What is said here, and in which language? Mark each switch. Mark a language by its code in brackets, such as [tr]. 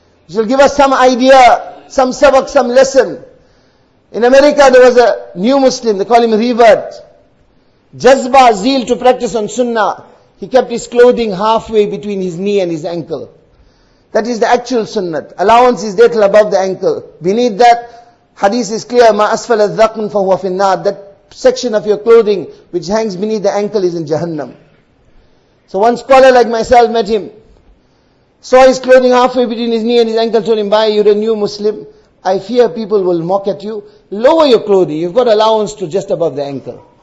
[en] It will give us some idea, some sabak, some lesson. In America, there was a new Muslim, they call him Revert. Jazba, zeal to practice on Sunnah. He kept his clothing halfway between his knee and his ankle. That is the actual Sunnah. Allowance is there till above the ankle. Beneath that, hadith is clear, [ar] مَا أَسْفَلَ الذَّقْنْ فَهُوَ فِي النَّارِ. [en] That section of your clothing, which hangs beneath the ankle, is in Jahannam. So one scholar like myself met him, saw his clothing halfway between his knee and his ankle, told him, "Bhai, you're a new Muslim. I fear people will mock at you. Lower your clothing. You've got allowance to just above the ankle."